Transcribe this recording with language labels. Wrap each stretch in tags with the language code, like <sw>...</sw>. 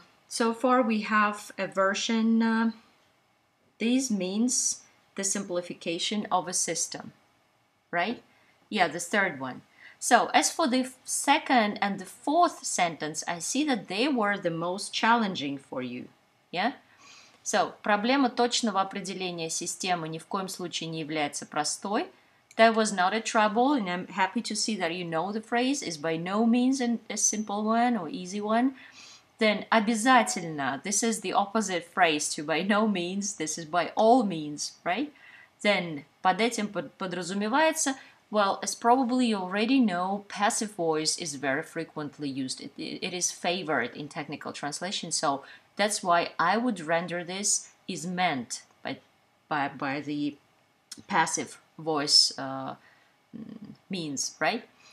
<en>So far, we have a version. This means the simplification of a system, right? Yeah, the third one. So, as for the second and the fourth sentence, I see that they were the most challenging for you, yeah?</en> <ru>So, проблема точного определения системы ни в коем случае не является простой.</ru> <en>That was not a trouble, and I'm happy to see that you know the phrase is by no means a simple one or easy one. Then,</en> <ru>обязательно,</ru> <en>this is the opposite phrase to by no means, this is by all means, right?</en> <ru>Then, под этим подразумевается.</ru> <en>Well, as probably you already know, passive voice is very frequently used. It is favored in technical translation, so that's why I would render this is meant by the passive voice means, right?</en>